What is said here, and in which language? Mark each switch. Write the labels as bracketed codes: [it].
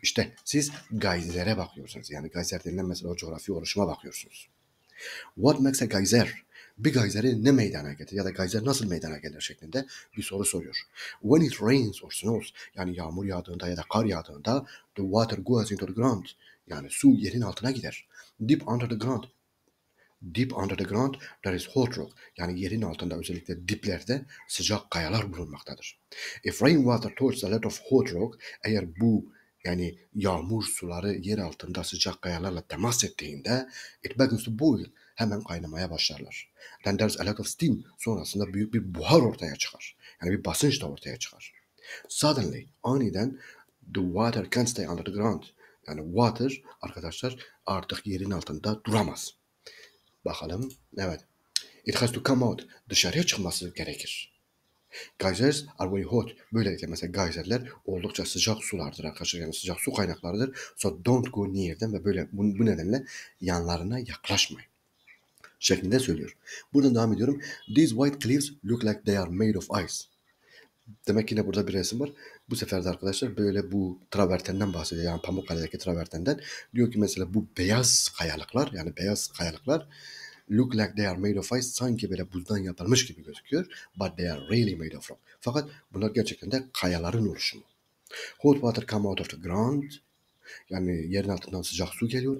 [tr] İşte siz geyzere bakıyorsunuz. Yani geyser denilen mesela o coğrafi oluşuma bakıyorsunuz. [en] What makes a geyser? [tr] Bir geyzeri ne meydana getirir? Ya da geyzer nasıl meydana gelir şeklinde bir soru soruyor. [en] When it rains or snows, [tr] yani yağmur yağdığında ya da kar yağdığında, [en] the water goes into the ground. [tr] Yani su yerin altına gider. [en] Deep under the ground, there is hot rock. [tr] Yani yerin altında özellikle diplerde sıcak kayalar bulunmaktadır. [en] If rain water touches a lot of hot rock, [tr] eğer bu yani yağmur suları yer altında sıcak kayalarla temas ettiğinde, [en] it begins to boil. [tr] Hemen kaynamaya başlarlar. [en] Then there's a lot of steam. [tr] Sonrasında büyük bir buhar ortaya çıkar. Yani bir basınç da ortaya çıkar. [en] Suddenly, [tr] aniden [en] the water can't stay under the ground. [tr] Yani water arkadaşlar artık yerin altında duramaz. Bakalım. Evet. [en] It has to come out. [tr] Dışarıya çıkması gerekir. [en] Geysers are very hot. [tr] Böylelikle mesela geyserler oldukça sıcak sulardır arkadaşlar. Yani sıcak su kaynaklarıdır. [en] So don't go near them [tr] ve böyle bu nedenle yanlarına yaklaşmayın şeklinde söylüyor. Buradan devam ediyorum. [en] These white cliffs look like they are made of ice. [tr] Demek ki yine burada bir resim var. Bu sefer de arkadaşlar böyle bu travertenden bahsediyor. Yani Pamukkale'deki travertenden. Diyor ki mesela bu beyaz kayalıklar, yani beyaz kayalıklar [en] look like they are made of ice. [tr] Sanki böyle buzdan yapılmış gibi gözüküyor. [en] But they are really made of rock. [tr] Fakat bunlar gerçekten de kayaların oluşumu. [en] Hot water come out of the ground. [tr] Yani yerin altından sıcak su geliyor.